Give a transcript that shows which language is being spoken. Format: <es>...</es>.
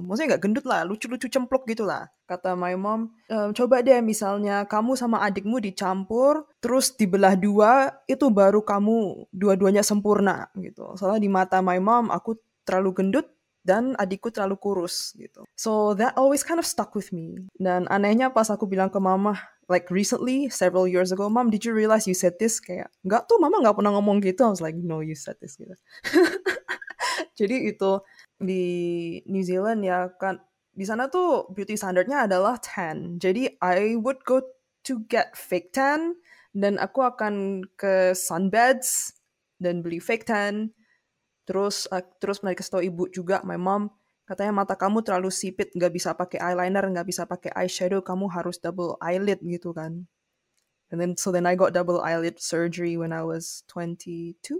<id>Maksudnya gak gendut lah, lucu-lucu cempluk gitu lah. Kata</id> <en>my mom,</en> <id>coba deh misalnya kamu sama adikmu dicampur, terus dibelah dua, itu baru kamu dua-duanya sempurna gitu. Soalnya di mata</id> <en>my mom,</en> <id>aku terlalu gendut, dan adikku terlalu kurus gitu.</id> <en>So that always kind of stuck with me.</en> <id>Dan anehnya pas aku bilang ke mama,</id> <en>like recently, several years ago, mom, did you realize you said this?</en> <id>Kayak, enggak tuh, mama gak pernah ngomong gitu.</id> <en>I was like, no, you said this</en> <id>gitu. Jadi itu di New Zealand ya kan, di sana tuh beauty standardnya adalah tan. Jadi</id> <en>I would go to get fake tan</en> <id>dan aku akan ke sunbeds dan beli fake tan. Terus mereka kasih tau ibu juga,</id> <en>my mom</en> <id>katanya mata kamu terlalu sipit, nggak bisa pakai eyeliner, nggak bisa pakai eyeshadow, kamu harus double eyelid gitu kan.</id> <en>And then so then I got double eyelid surgery when I was 22.</en>